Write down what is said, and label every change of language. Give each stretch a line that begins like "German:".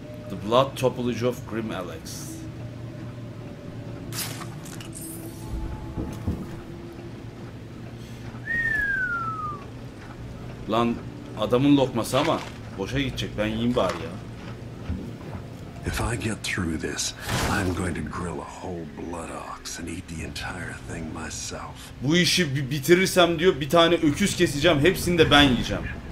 English: The Blood Topology of Grim Alex.
Turkish: Lan adamın lokması ama boşa gidecek, ben yiyeyim bari ya.
English: If I get through this, I'm going to grill a whole blood ox and eat the entire thing myself.
Turkish: Bu işi bitirirsem diyor, bir tane öküz keseceğim, hepsini de ben yiyeceğim.